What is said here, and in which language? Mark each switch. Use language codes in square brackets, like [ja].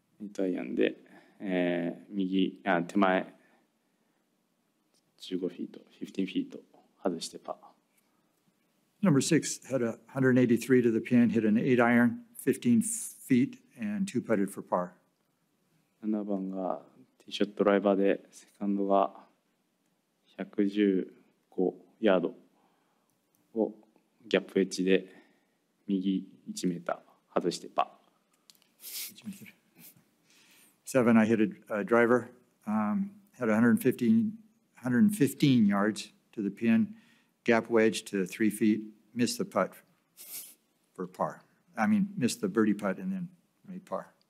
[ja] 8アイアンで, 右, 手前, [en] 15 feet, 15 feet, [ja] 外してパー. [en] Number six had a 183 to the pin, hit an 8 iron, 15 feet, and two putted for par. [ja] 7番がティーショットドライバーでセカンドが115ヤードをギャップエッジで右1メーター外してパー。 [en] 7, I hit a driver, had 115 yards to the pin, gap wedge to 3 feet, missed the putt for par. I mean, missed the birdie putt and then made par.